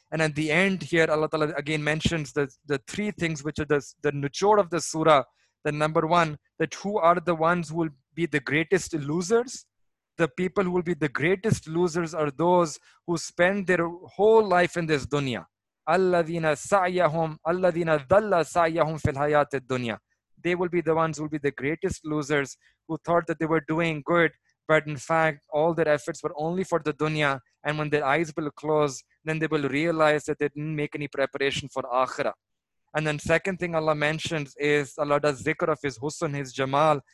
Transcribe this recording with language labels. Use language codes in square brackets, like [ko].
[en] And at the end here, Allah Ta'ala again mentions the three things which are the nuchod of the surah. The number one, that who are the ones who will be the greatest losers? The people who will be the greatest losers are those who spend their whole life in this dunya. [ar] الذين سعيهم الذين ضل سعيهم في الحياة الدنيا. [en] They will be the ones who will be the greatest losers, who thought that they were doing good, but in fact, all their efforts were only for the dunya. And when their eyes will close, then they will realize that they didn't make any preparation for akhirah. And then second thing Allah mentions is Allah does zikr of His husn, His jamal.